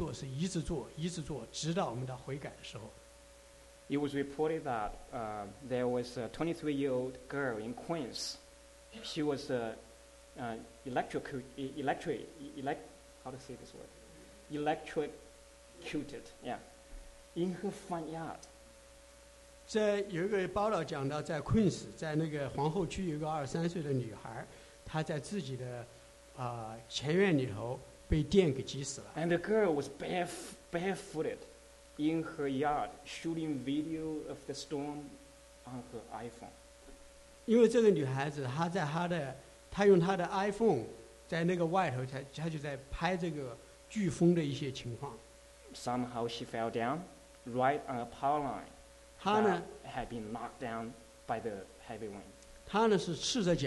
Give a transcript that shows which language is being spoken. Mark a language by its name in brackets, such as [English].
[Chinese] 如果我们是做神的儿女，你要知道，我们做神的儿女，我们也要，如果我们一直要背逆神，不听神的话，神就会要在我们身上做一个改正的工作，这个工作是一直做，直到我们的悔改的时候。 [English] It was reported that there was a 23-year-old girl in Queens. She was electrocuted. Yeah, in her front yard. [Chinese] 这有一个报道讲到，在 Queens， 在那个皇后区有个23岁的女孩，她在自己的前院里头被电给击死了。 [English] And the girl was barefooted. In her yard, shooting video of the storm on her iPhone. [Chinese] 因为这个女孩子，她用她的 iPhone 在那个外头，她就在拍这个飓风的一些情况。 [English] Somehow she fell down right on a power line. [Chinese] 她呢, [English] that had been knocked down by the heavy wind.